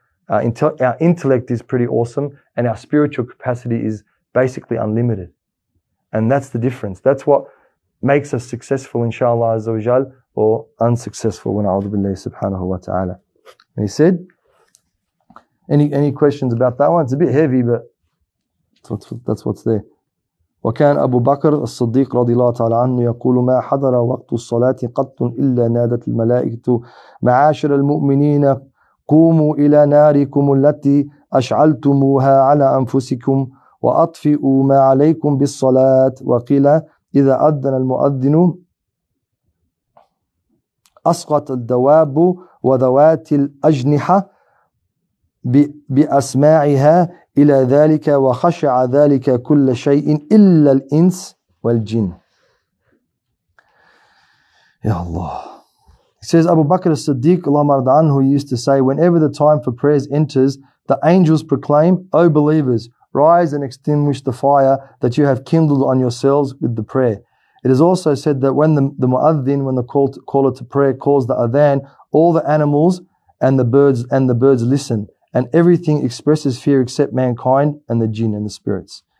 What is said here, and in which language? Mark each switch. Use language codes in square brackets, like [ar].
[en] Our intellect is pretty awesome, and our spiritual capacity is basically unlimited. And that's the difference. That's what makes us successful, inshallah, azza wa jal, or unsuccessful, when a'udhu billahi subhanahu wa ta'ala. And he said, any questions about that one? It's a bit heavy, but that's what's there. [ar] وكان أبو بكر الصديق رضي الله تعالى عنه يقول ما حضر وقت الصلاة قط إلا نادت الملائكة معاشر المؤمنين قوموا إلى ناركم التي أشعلتموها على أنفسكم وأطفئوا ما عليكم بالصلاة. وقيل إذا أذن المؤذن أسقط الدواب وذوات الأجنحة بأسماعها إلى ذلك وخشع ذلك كل شيء إلا الإنس والجن. يا الله. [en] He says, Abu Bakr al-Siddiq, Allah marda anhu, used to say, whenever the time for prayers enters, the angels proclaim, O believers, rise and extinguish the fire that you have kindled on yourselves with the prayer. It is also said that when the muadhin, when the caller to prayer calls the adhan, all the animals and the birds listen, and everything expresses fear except mankind and the jinn and the spirits.